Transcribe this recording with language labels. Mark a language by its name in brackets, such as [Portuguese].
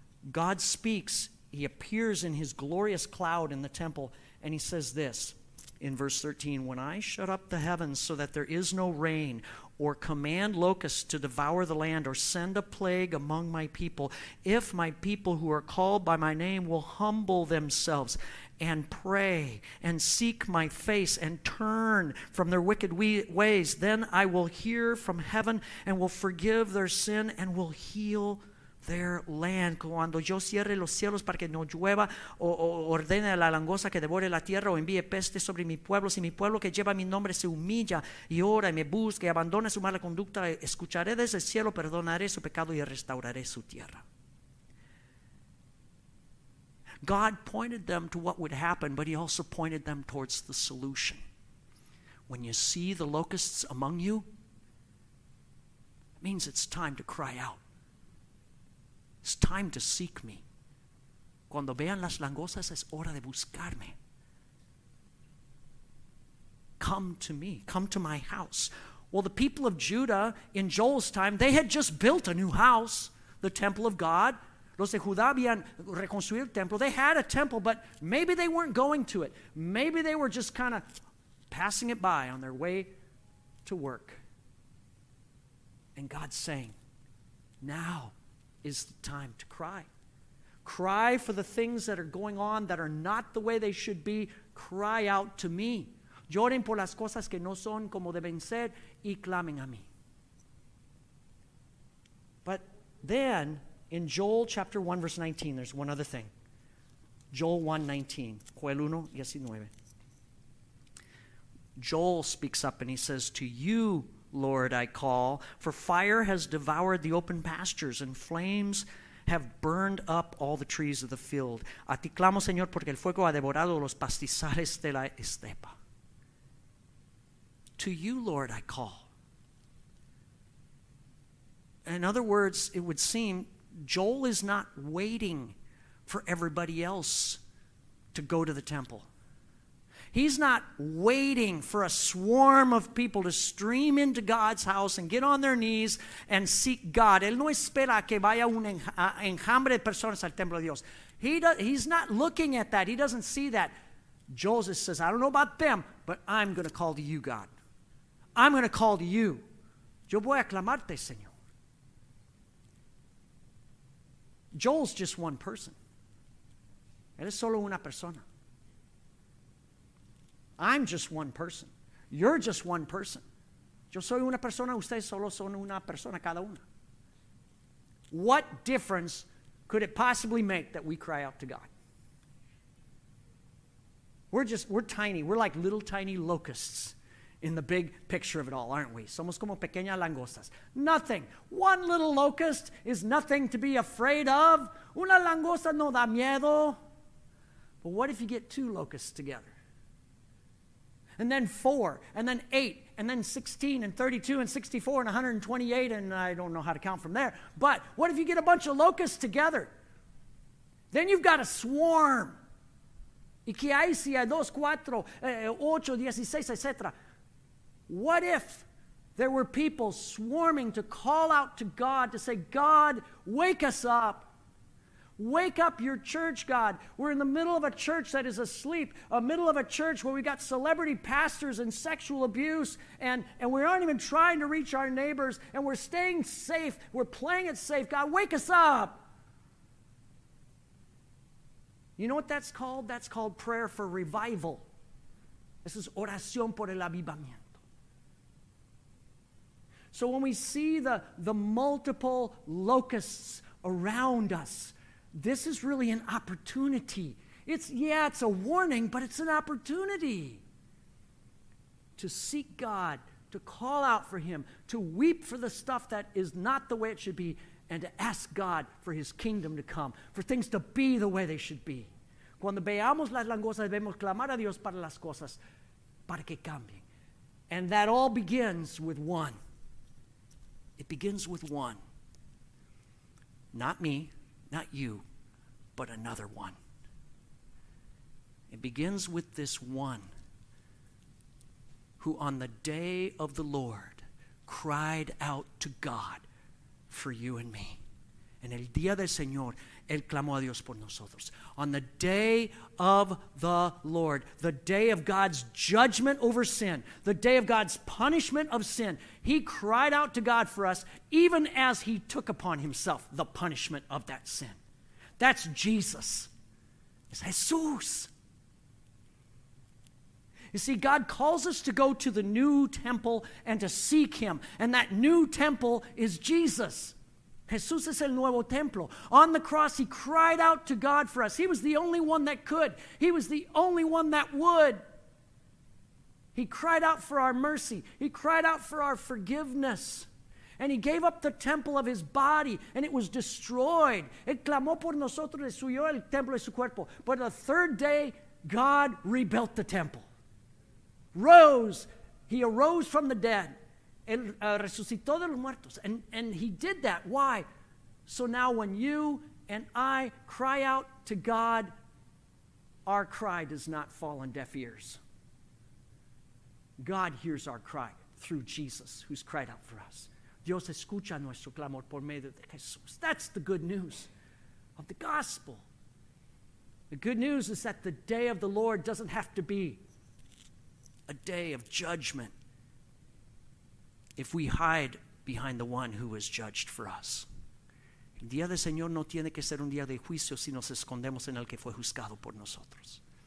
[English] God speaks, he appears in his glorious cloud in the temple, and he says this in verse 13, when I shut up the heavens so that there is no rain, or command locusts to devour the land, or send a plague among my people, if my people who are called by my name will humble themselves and pray and seek my face and turn from their wicked ways, then I will hear from heaven and will forgive their sin and will heal their land. [Spanish] Cuando yo cierre los cielos para que no llueva, o ordene a la langosta que devore la tierra, o envíe peste sobre mi pueblo, si mi pueblo que lleva mi nombre se humilla y ora y me busca y abandona su mala conducta, escucharé desde el cielo, perdonaré su pecado y restauraré su tierra. [English] God pointed them to what would happen, but he also pointed them towards the solution. When you see the locusts among you, it means it's time to cry out. It's time to seek me. [Spanish] Cuando vean las langostas, es hora de buscarme. [English] Come to me. Come to my house. Well, the people of Judah, in Joel's time, they had just built a new house, the temple of God. [Spanish] Los de Judá habían reconstruido el templo. [English] They had a temple, but maybe they weren't going to it. Maybe they were just kind of passing it by on their way to work. And God's saying, now is the time to cry. Cry for the things that are going on that are not the way they should be. Cry out to me. [Spanish] Lloren por las cosas que no son como deben ser y clamen a mí. [English] But then, in Joel chapter 1, verse 19, there's one other thing. Joel 1, 19. Joel 1, 19. Joel speaks up and he says, to you, Lord, I call, for fire has devoured the open pastures and flames have burned up all the trees of the field. [Spanish] A ti clamo, Señor, porque el fuego ha devorado los pastizales de la estepa. [English] To you, Lord, I call. In other words, it would seem Joel is not waiting for everybody else to go to the temple. He's not waiting for a swarm of people to stream into God's house and get on their knees and seek God. Él no espera que vaya un enjambre de personas al templo de Dios. He's not looking at that. He doesn't see that. Joel says, I don't know about them, but I'm going to call to you, God. I'm going to call to you. [Spanish] Yo voy a clamarte, Señor. [English] Joel's just one person. [Spanish] Él es solo una persona. [English] I'm just one person. You're just one person. [Spanish] Yo soy una persona, ustedes solo son una persona, cada una. [English] What difference could it possibly make that we cry out to God? We're tiny. We're like little tiny locusts in the big picture of it all, aren't we? [Spanish] Somos como pequeñas langostas. [English] Nothing. One little locust is nothing to be afraid of. [Spanish] Una langosta no da miedo. [English] But what if you get two locusts together? And then 4, and then 8, and then 16, and 32, and 64, and 128, and I don't know how to count from there. But what if you get a bunch of locusts together? Then you've got a swarm. [Spanish] ¿Y qué hay si hay dos, cuatro, ocho, dieciséis, etcétera? [English] What if there were people swarming to call out to God to say, God, wake us up. Wake up your church, God. We're in the middle of a church that is asleep, a middle of a church where we got celebrity pastors and sexual abuse, and we aren't even trying to reach our neighbors, and we're staying safe. We're playing it safe. God, wake us up. You know what that's called? That's called prayer for revival. This is [Spanish] oración por el avivamiento. [English] So when we see the multiple locusts around us, this is really an opportunity. It's a warning, but it's an opportunity to seek God, to call out for Him, to weep for the stuff that is not the way it should be, and to ask God for His kingdom to come, for things to be the way they should be. [Spanish] Cuando veamos las langostas, debemos clamar a Dios para las cosas, para que cambien. [English] And that all begins with one. It begins with one. Not me, not you, but another one. It begins with this one who on the day of the Lord cried out to God for you and me. [Spanish] En el día del Señor, Él clamó a Dios por nosotros. [English] On the day of the Lord, the day of God's judgment over sin, the day of God's punishment of sin, He cried out to God for us, even as He took upon Himself the punishment of that sin. That's Jesus. It's Jesus. You see, God calls us to go to the new temple and to seek Him. And that new temple is Jesus. [Spanish] Jesús es el nuevo templo. [English] On the cross, He cried out to God for us. He was the only one that could. He was the only one that would. He cried out for our mercy. He cried out for our forgiveness. And He gave up the temple of His body, and it was destroyed. [Spanish] Él clamó por nosotros, destruyó el templo de su cuerpo. [English] But the third day, God rebuilt the temple. Rose. He arose from the dead. [Spanish] Él resucitó de los muertos. [English] And He did that. Why? So now when you and I cry out to God, our cry does not fall on deaf ears. God hears our cry through Jesus, who's cried out for us. [Spanish] Dios escucha nuestro clamor por medio de Jesús. [English] That's the good news of the gospel. The good news is that the day of the Lord doesn't have to be a day of judgment if we hide behind the one who was judged for us. [Spanish] El día del Señor no tiene que ser un día de juicio si nos escondemos en el que fue juzgado por nosotros.